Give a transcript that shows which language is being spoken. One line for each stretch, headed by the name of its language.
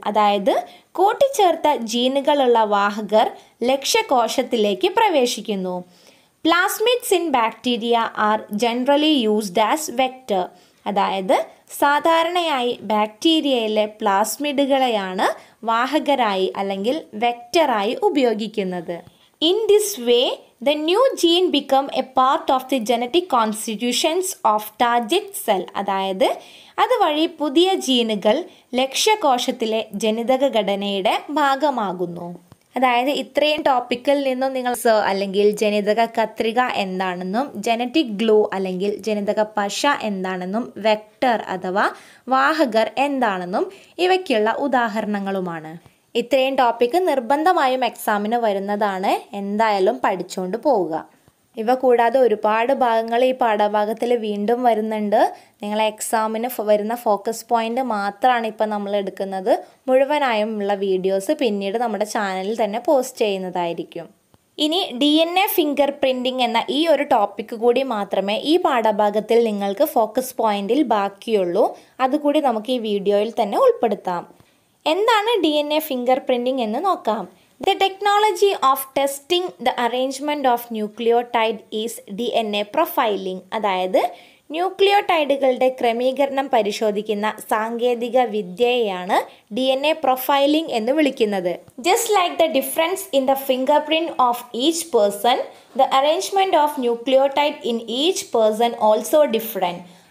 Malayalam: അതായത് കൂട്ടിച്ചേർത്ത ജീനുകളുള്ള വാഹകർ ലക്ഷ്യ കോശത്തിലേക്ക് പ്രവേശിക്കുന്നു.
English: Plasmids in bacteria are generally used as vector.
Malayalam: അതായത് സാധാരണയായി ബാക്ടീരിയയിലെ പ്ലാസ്മിഡുകളെയാണ് വാഹകരായി അല്ലെങ്കിൽ വെക്ടറായി ഉപയോഗിക്കുന്നത്.
English: In this way, the new gene become a part of the genetic constitutions of target cell.
Malayalam: അതായത് അതുവഴി പുതിയ ജീനുകൾ ലക്ഷ്യകോശത്തിലെ ജനിതക ഘടനയുടെ ഭാഗമാകുന്നു. അതായത് ഇത്രയും ടോപ്പിക്കിൽ നിന്നും നിങ്ങൾ സർ അല്ലെങ്കിൽ ജനിതക കത്രിക എന്താണെന്നും ജനറ്റിക് ഗ്ലൂ അല്ലെങ്കിൽ ജനിതക പശ എന്താണെന്നും വെക്ടർ അഥവാ വാഹകർ എന്താണെന്നും ഇവയ്ക്കുള്ള ഉദാഹരണങ്ങളുമാണ്. ഇത്രയും ടോപ്പിക്ക് നിർബന്ധമായും എക്സാമിന് വരുന്നതാണ്. എന്തായാലും പഠിച്ചുകൊണ്ട് പോവുക. ഇവ കൂടാതെ ഒരുപാട് ഭാഗങ്ങൾ ഈ പാഠഭാഗത്തിൽ വീണ്ടും വരുന്നുണ്ട്. നിങ്ങളെ എക്സാമിന് വരുന്ന ഫോക്കസ് പോയിൻ്റ് മാത്രമാണ് ഇപ്പോൾ നമ്മൾ എടുക്കുന്നത്. മുഴുവനായും ഉള്ള വീഡിയോസ് പിന്നീട് നമ്മുടെ ചാനലിൽ തന്നെ പോസ്റ്റ് ചെയ്യുന്നതായിരിക്കും. ഇനി D N A finger printing എന്ന ഈ ഒരു ടോപ്പിക്ക് കൂടി മാത്രമേ ഈ പാഠഭാഗത്തിൽ നിങ്ങൾക്ക് ഫോക്കസ് പോയിൻ്റിൽ ബാക്കിയുള്ളൂ. അതുകൂടി നമുക്ക് ഈ വീഡിയോയിൽ തന്നെ ഉൾപ്പെടുത്താം. എന്താണ് D N A finger printing എന്ന് നോക്കാം.
English: The technology of testing the arrangement of nucleotide is DNA profiling.
Malayalam: അതായത് ന്യൂക്ലിയോടൈഡുകളുടെ ക്രമീകരണം പരിശോധിക്കുന്ന സാങ്കേതിക വിദ്യയെയാണ് ഡി എൻ എ പ്രൊഫൈലിംഗ് എന്ന് വിളിക്കുന്നത്.
English: Just like the difference in the fingerprint of each person, the arrangement of nucleotide in each person also different.